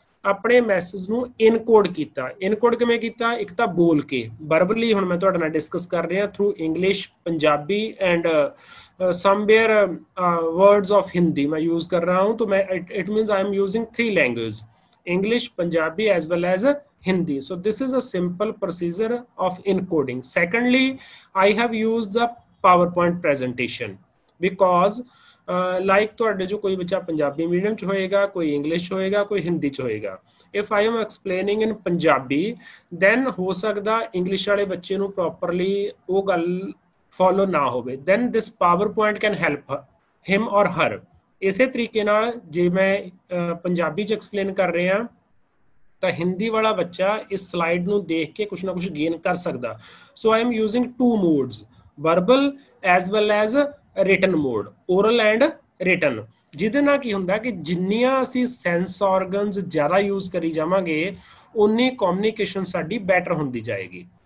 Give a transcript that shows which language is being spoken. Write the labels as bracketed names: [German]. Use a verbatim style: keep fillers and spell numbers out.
[Punjabi] ਆਪਣੇ ਮੈਸੇਜ ਨੂੰ ਇਨਕੋਡ ਕੀਤਾ। ਇਨਕੋਡ ਕਿਵੇਂ ਕੀਤਾ? ਇੱਕ ਤਾਂ ਬੋਲ ਕੇ ਬਰਬਲੀ, ਹੁਣ ਮੈਂ ਤੁਹਾਡੇ ਨਾਲ ਡਿਸਕਸ ਕਰ ਰਿਹਾ, through English, Punjabi and somewhere words of Hindi [Hindi] ਮੈਂ ਯੂਜ਼ ਕਰ ਰਹਾ ਹੂੰ। तो मैं it means I am using three language, English, Punjabi as well as Hindi. [English] So this is a simple procedure of encoding. Secondly, I have used the PowerPoint presentation because uh, like [Punjabi] ਤੁਹਾਡੇ ਜੋ ਕੋਈ ਬੱਚਾ Punjabi medium ਚ ਹੋਏਗਾ, ਕੋਈ English ਹੋਏਗਾ, ਕੋਈ ਹਿੰਦੀ ਚ ਹੋਏਗਾ। [English] If I am explaining in Punjabi, then [Punjabi] ਹੋ ਸਕਦਾ ਇੰਗਲਿਸ਼ ਵਾਲੇ ਬੱਚੇ ਨੂੰ properly ਉਹ ਗੱਲ follow ਨਾ ਹੋਵੇ। [English] Then this PowerPoint can help him or her. [Punjabi] ਇਸੇ ਤਰੀਕੇ ਨਾਲ ਜੇ ਮੈਂ ਪੰਜਾਬੀ ਚ ਐਕਸਪਲੇਨ ਕਰ ਰਿਹਾ ਤਾਂ ਹਿੰਦੀ ਵਾਲਾ ਬੱਚਾ ਇਸ ਸਲਾਈਡ ਨੂੰ ਦੇਖ ਕੇ ਕੁਛ ਨਾ ਕੁਛ ਗੇਨ ਕਰ ਸਕਦਾ। [English] so I am using two modes, verbal as well as written mode, oral and written, [Punjabi] ਜਿਹਦੇ ਨਾਲ ਕੀ ਹੁੰਦਾ ਕਿ ਜਿੰਨੀਆਂ ਅਸੀਂ ਸੈਂਸ ਆਰਗਨਸ ਜ਼ਿਆਦਾ ਯੂਜ਼ ਕਰੀ ਜਾਵਾਂਗੇ ਉਨੀ ਕਮਿਊਨੀਕੇਸ਼ਨ ਸਾਡੀ ਬੈਟਰ ਹੁੰਦੀ ਜਾਏਗੀ।